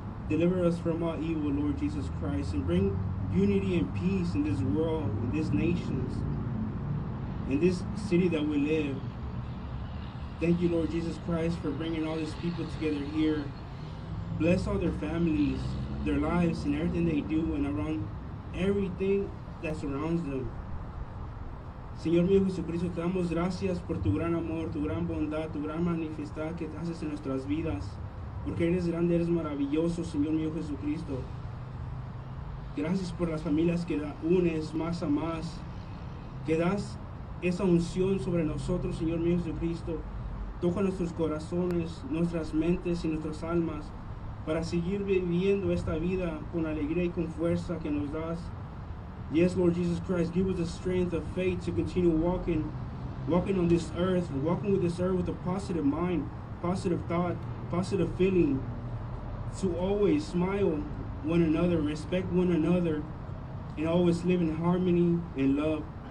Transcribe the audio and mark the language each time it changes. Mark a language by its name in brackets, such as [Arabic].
[English] Deliver us from all evil, Lord Jesus Christ, and bring unity and peace in this world, in these nations. In this city that we live, thank you, Lord Jesus Christ, for bringing all these people together here. Bless all their families, their lives, and everything they do, and around everything that surrounds them. [Spanish] Señor mío Jesucristo, te damos gracias por tu gran amor, tu gran bondad, tu gran manifestad que haces en nuestras vidas. Porque eres grande, eres maravilloso, Señor mío Jesucristo. Gracias por las familias que unes más a más, que das esa unción sobre nosotros, Señor mío Jesucristo. Toca nuestros corazones, nuestras mentes y nuestras almas para seguir viviendo esta vida con alegría y con fuerza que nos das. [English] Yes, Lord Jesus Christ, give us the strength of faith to continue walking on this earth, walking with this earth with a positive mind, positive thought, positive feeling, to always smile one another, respect one another, and always live in harmony and love.